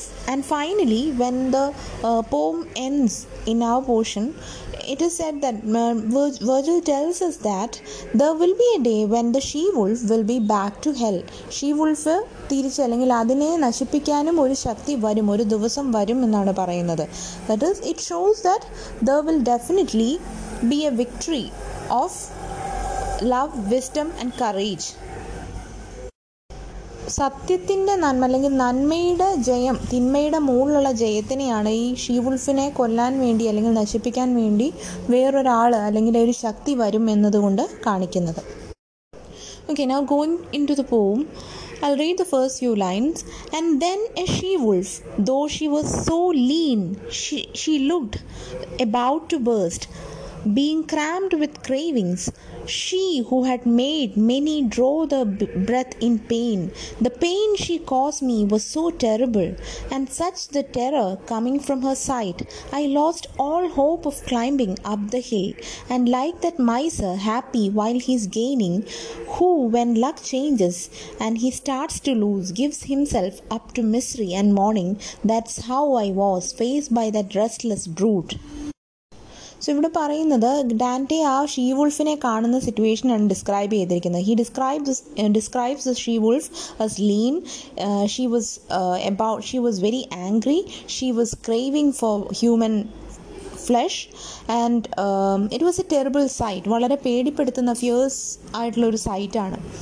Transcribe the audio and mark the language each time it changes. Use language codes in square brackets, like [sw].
[en] And finally, when the poem ends in our portion, it is said that Virgil tells us that there will be a day when the she-wolf will be back to hell. [ml] She-wolf തിരിച്ച്, അല്ലെങ്കിൽ അതിനെ നശിപ്പിക്കാനും ഒരു ശക്തി വരും, ഒരു ദിവസം വരും എന്നാണ് പറയുന്നത്. [en] That is it shows that there will definitely be a victory of love, wisdom and courage. [ml] സത്യത്തിൻ്റെ നന്മ, അല്ലെങ്കിൽ നന്മയുടെ ജയം, തിന്മയുടെ മുകളിലുള്ള ജയത്തിനെയാണ് ഈ ഷീവുൾഫിനെ കൊല്ലാൻ വേണ്ടി, അല്ലെങ്കിൽ നശിപ്പിക്കാൻ വേണ്ടി വേറൊരാൾ, അല്ലെങ്കിൽ ഒരു ശക്തി വരും എന്നതുകൊണ്ട് കാണിക്കുന്നത്. [en] Okay, now going into the poem, I will read the first few lines. And then a she wolf, though she was so lean, she looked about to burst, being crammed with cravings, she who had made many draw the breath in pain, the pain she caused me was so terrible, and such the terror coming from her sight, I lost all hope of climbing up the hill, and like that miser happy while he is gaining, who when luck changes and he starts to lose gives himself up to misery and mourning, that's how I was faced by that restless brute. [ml] So ഇവിടെ പറയുന്നത് ഡാൻ്റെ ആ she വുൾഫിനെ കാണുന്ന സിറ്റുവേഷനാണ് describe ചെയ്തിരിക്കുന്നത്. [en] he describes the she wolf as lean, she was very angry, she was craving for human flesh, and it was a terrible sight, [ml] വളരെ പേടിപ്പെടുത്തുന്ന fears ആയിട്ടുള്ള ഒരു സൈറ്റാണ്.